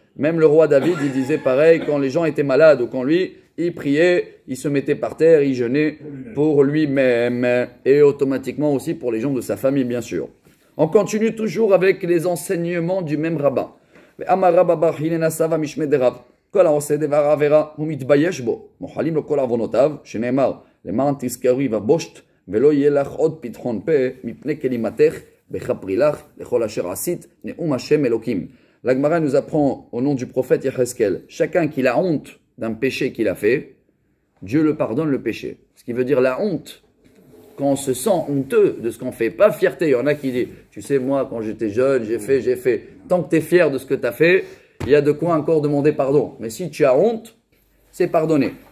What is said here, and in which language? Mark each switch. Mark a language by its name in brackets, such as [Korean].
[French] Même le roi David, il disait pareil, quand les gens étaient malades, ou quand lui, il priait, il se mettait par terre, il jeûnait pour lui-même. Et automatiquement aussi pour les gens de sa famille, bien sûr. On continue toujours avec les enseignements du même rabbin. [Hebrew] Amar rabba bar hinena sava mishmederav. כל העושה דבר עבירה, הוא מתבייש בו. מוחלים לו כל עוונותיו, שנאמר, למען תזכרי ובושת, ולא יהיה לך עוד פתחון פה, מפני כלימתך, בכפרי לך, לכל אשר עשית, נאום השם אלוקים. [French] La Gemara nous apprend au nom du prophète Yechezkel, chacun qui a honte d'un péché qu'il a fait, Dieu le pardonne le péché. Ce qui veut dire la honte, quand on se sent honteux de ce qu'on fait, pas fierté. Il y en a qui disent, tu sais, moi, quand j'étais jeune, j'ai fait. Tant que tu es fier de ce que tu as fait, il y a de quoi encore demander pardon. Mais si tu as honte, c'est pardonné.